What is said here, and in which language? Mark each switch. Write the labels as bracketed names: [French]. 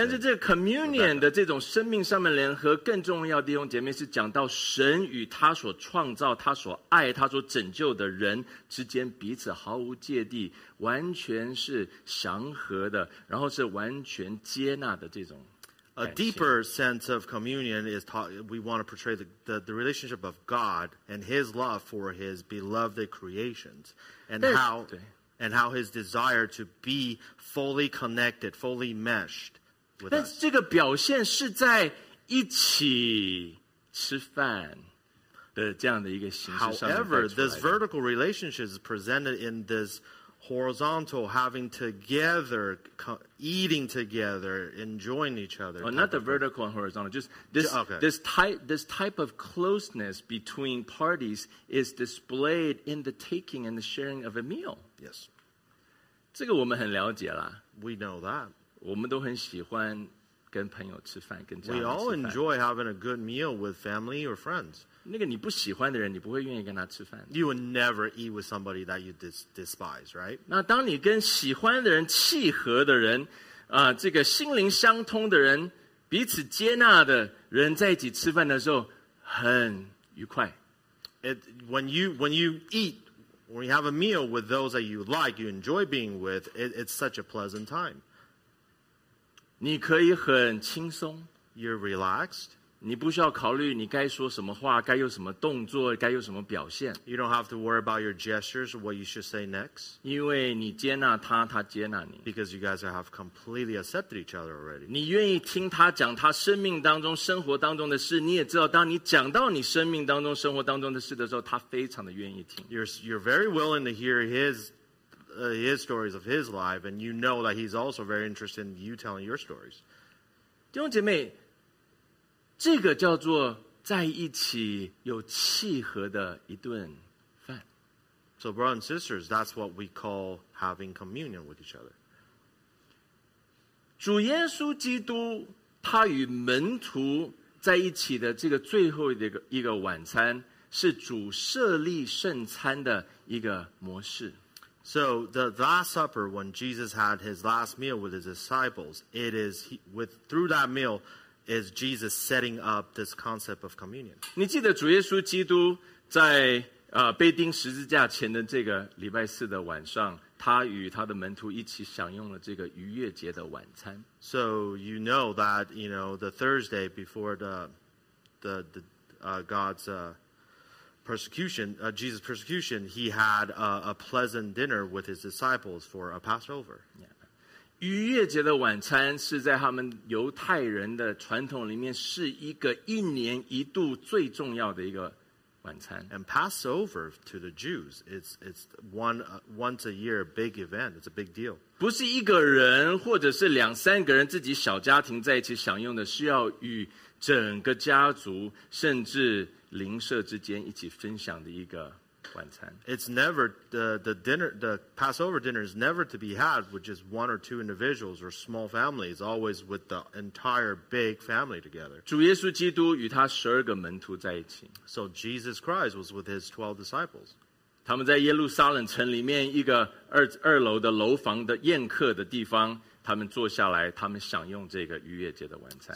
[Chinese] 但是这个 communion 的这种生命上面联合，更重要的弟兄姐妹是讲到神与他所创造、他所爱、他所拯救的人之间彼此毫无芥蒂，完全是祥和的，然后是完全接纳的这种。 [English] A deeper sense of communion is we want to portray the relationship of God and His love for His beloved creations, and how His desire to be fully connected, fully meshed with us. [Chinese] 但这个表现是在一起吃饭的这样的一个形式上面带出来的。 [English] However, this vertical relationship is presented in this horizontal, having together, eating together, enjoying each other. Oh, not the vertical and horizontal. Just this, okay. this type of closeness between parties is displayed in the taking and the sharing of a meal. Yes. [Chinese] 这个我们很了解了。 [English] We know that. [Chinese] 我们都很喜欢跟朋友吃饭，跟家人吃饭。 [English] We all enjoy having a good meal with family or friends. [Chinese] 那个你不喜欢的人，你不会愿意跟他吃饭。 [English] You would never eat with somebody that you despise, right? [Chinese] 那当你跟喜欢的人、契合的人、这个心灵相通的人、彼此接纳的人在一起吃饭的时候，很愉快。 [English] When you eat, when you have a meal with those that you like, you enjoy being with, it's such a pleasant time. [Chinese] 你可以很轻松 [English] ，You're relaxed. [Chinese] 你不需要考虑你该说什么话，该有什么动作，该有什么表现。 [English] You don't have to worry about your gestures or what you should say next. [Chinese] 因为你接纳他，他接纳你。 [English] Because you guys have completely accepted each other already. [Chinese] 你愿意听他讲他生命当中、生活当中的事，你也知道，当你讲到你生命当中、生活当中的事的时候，他非常的愿意听。 [English] You're very willing to hear his stories of his life, and you know that he's also very interested in you telling your stories. [Chinese] 弟兄姐妹，这个叫做在一起有契合的一顿饭。 [English] So brothers and sisters, that's what we call having communion with each other. [Chinese] 主耶稣基督他与门徒在一起的这个最后的一个晚餐，是主设立圣餐的一个模式。 [English] So the Last Supper, when Jesus had his last meal with his disciples, it is through that meal is Jesus setting up this concept of communion. [Chinese] 你记得主耶稣基督在被钉十字架前的这个礼拜四的晚上，他与他的门徒一起享用了这个逾越节的晚餐。 [English] So you know that, you know, the Thursday before the God'spersecution, Jesus' persecution, he had a pleasant dinner with his disciples for a Passover. Yeah. [Chinese] 逾越节的晚餐是在他们犹太人的传统里面是一个一年一度最重要的一个晚餐。 [English] And Passover to the Jews, it's once a year big event. It's a big deal. [Chinese] 不是一个人或者是两三个人自己小家庭在一起享用的，是要与整个家族甚至灵舍之间一起分享的一个晚餐。 [English] It's never the Passover dinner is never to be had with just one or two individuals or small families. Always with the entire big family together. [Chinese] 主耶稣基督与他十二个门徒在一起。 [English] So Jesus Christ was with his 12 disciples. [Chinese] 他们在耶路撒冷城里面一个二楼的楼房的宴客的地方，他们坐下来，他们享用这个逾越节的晚餐。